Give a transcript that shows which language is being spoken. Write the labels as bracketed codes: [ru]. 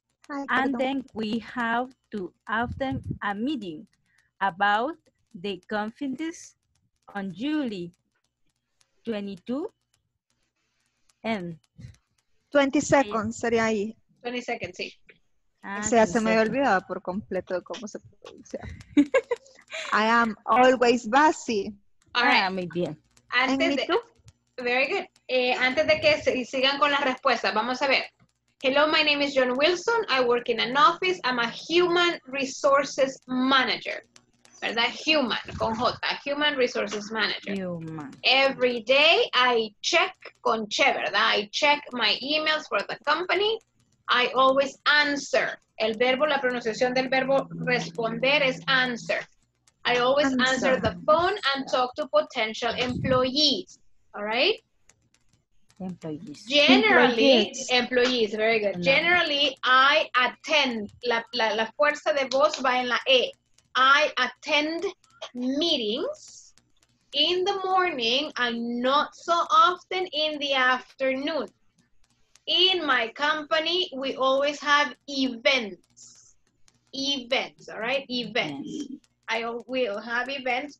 [en] And then we have to attend a meeting about the conference on July 22nd. [es] Sería ahí. 22nd, sí. Se me había olvidado por completo cómo se pronuncia. [en] I am always busy. All right. [es] Muy bien. Antes de que sigan con las respuestas, vamos a ver. [en] Hello, my name is John Wilson. I work in an office. I'm a human resources manager. [es] ¿Verdad? [en] Human, [es] con J. [en] Human resources manager. Human. Every day I check, [es] con che, ¿verdad? [en] I check my emails for the company. I always answer. [es] El verbo, la pronunciación del verbo responder es answer. [en] I always answer the phone and talk to potential employees. All right? Employees. Generally, employees, very good. Generally, I attend. [es] La fuerza de voz va en la E. [en] I attend meetings in the morning and not so often in the afternoon. In my company, we always have events. Events, all right? Events. We'll have events.